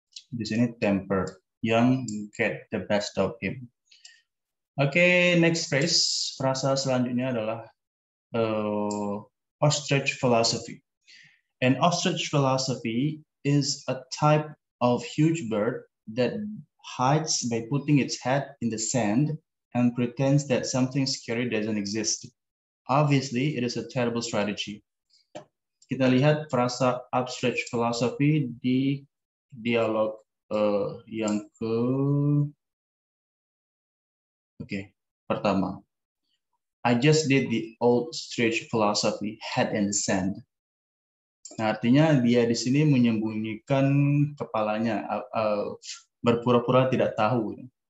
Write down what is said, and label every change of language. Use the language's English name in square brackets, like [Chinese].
[Indonesian] Di sini temper yang get the best of him. [English] Okay, next phrase. [Indonesian] Frasa selanjutnya adalah [English] ostrich philosophy. An ostrich philosophy is a type of huge bird that hides by putting its head in the sand and pretends that something scary doesn't exist. Obviously, it is a terrible strategy. [Indonesian] Kita lihat frasa ostrich philosophy di dialog yang ke okay, pertama. [English] I just did the old ostrich philosophy, head in the sand. [Indonesian] Nah, artinya dia di sini menyembunyikan kepalanya, berpura-pura tidak tahu.